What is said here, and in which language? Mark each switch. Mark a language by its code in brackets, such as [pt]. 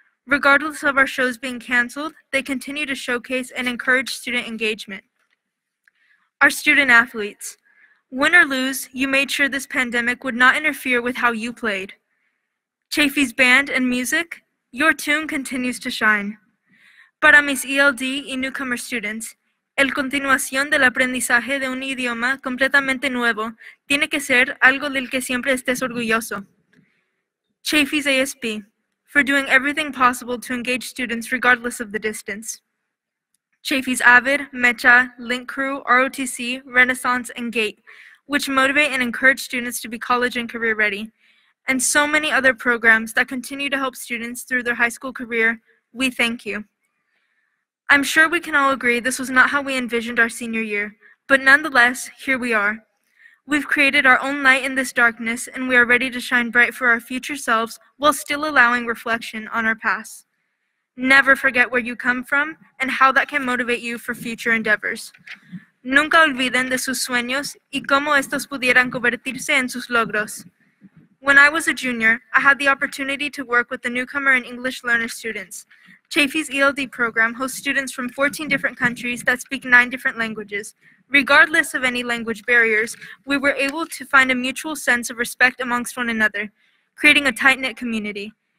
[en] Regardless of our shows being canceled, they continue to showcase and encourage student engagement. Our student athletes, win or lose, you made sure this pandemic would not interfere with how you played. Chafee's band and music, your tune continues to shine. [es] Para mis ELD y newcomer students, el continuación del aprendizaje de un idioma completamente nuevo tiene que ser algo del que siempre estés orgulloso. [en] Chafee's ASB, for doing everything possible to engage students regardless of the distance. Chafee's AVID, MECHA, Link Crew, ROTC, Renaissance, and GATE, which motivate and encourage students to be college and career ready. And so many other programs that continue to help students through their high school career, we thank you. I'm sure we can all agree this was not how we envisioned our senior year, but nonetheless, here we are. We've created our own light in this darkness, and we are ready to shine bright for our future selves while still allowing reflection on our past. Never forget where you come from and how that can motivate you for future endeavors. [es] Nunca olviden de sus sueños y cómo estos pudieran convertirse en sus logros. [en] When I was a junior, I had the opportunity to work with the newcomer and English learner students. Chafee's ELD program hosts students from 14 different countries that speak 9 different languages. Regardless of any language barriers, we were able to find a mutual sense of respect amongst one another, creating a tight-knit community.